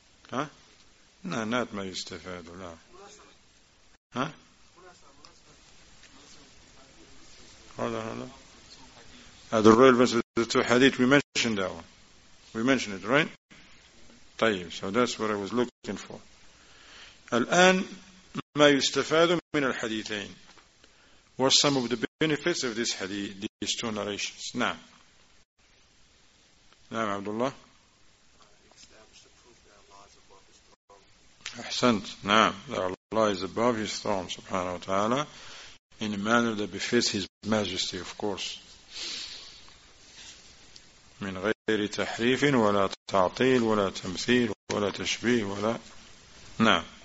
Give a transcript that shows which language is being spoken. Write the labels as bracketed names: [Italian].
[English] Huh? No, not my istifad, Allah. Huh? Hold on. The relevance of the two hadith, we mentioned that one. We mentioned it, right? طيب. So that's what I was looking for. [Arabic] الآن ما يستفاد من الحديثين. [English] What are some of the benefits of this hadith, these two narrations? [Arabic] نعم. نعم, Abdullah. أحسنت. نعم. [English] That Allah is above His throne, subhanahu wa ta'ala, in a manner that befits His majesty, of course. [Arabic] من غير تحريف ولا تعطيل ولا تمثيل ولا تشبيه ولا نعم.